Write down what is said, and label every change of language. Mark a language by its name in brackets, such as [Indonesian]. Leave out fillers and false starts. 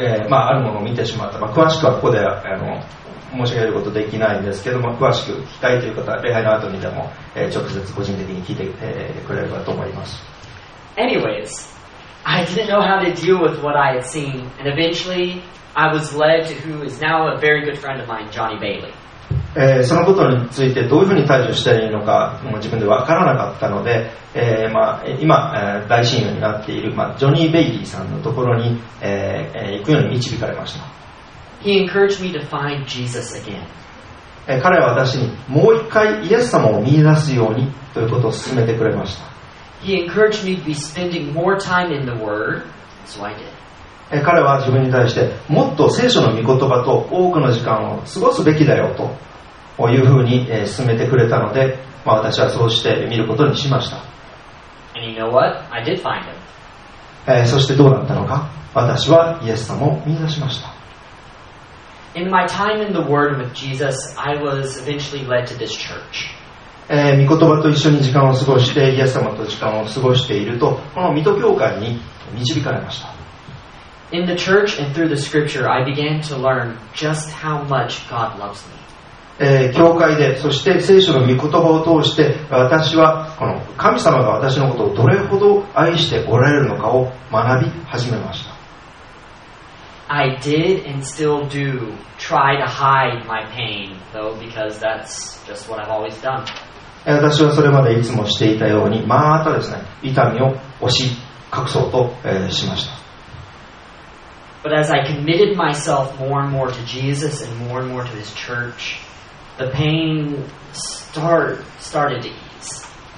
[Japanese] あるものを見てしまった、詳しくはここで申し上げることできないんですけども、詳しく聞きたいという方は礼拝の後にでも直接個人的に聞いてくれればと思います。 [English] AnywaysI didn't know how to deal with what I had seen, and eventually I was led to who is now a very good friend of mine, Johnny Bailey. [Japanese] そのことについてどういうふうに対処したらいいのか、もう自分で分からなかったので、今、大親友になっている、ジョニー・ベイリーさんのところに、行くように導かれました。 [English] He encouraged me to find Jesus again. [Japanese] 彼は私にもう一回イエス様を見出すようにということを勧めてくれました。 [English] He encouraged me to be spending more time in the Word, so I did. [Japanese] 彼は自分に対してもっと聖書の御言葉と多くの時間を過ごすべきだよというふうに勧めてくれたので、私はそうして見ることにしました。 [English] And you know what? I did find him. [Japanese] そしてどうなったのか、私はイエス様を見出しました。 [English] In my time in the Word with Jesus, I was eventually led to this church. [Japanese] 御言葉と一緒に時間を過ごして、イエス様と時間を過ごしていると、この水戸教会に導かれました。 [English] In the church and through the scripture, I began to learn just how much God loves me. [Japanese] 教会で、そして聖書の御言葉を通して、私はこの神様が私のことをどれほど愛しておられるのかを学び始めました。 [English] I did and still do try to hide my pain, though, because that's just what I've always done. [Japanese] 私はそれまでいつもしていたように、またですね、痛みを押し隠そうと、しました。 [English] But as I committed myself more and more to Jesus and more and more to His church, the pain started to ease.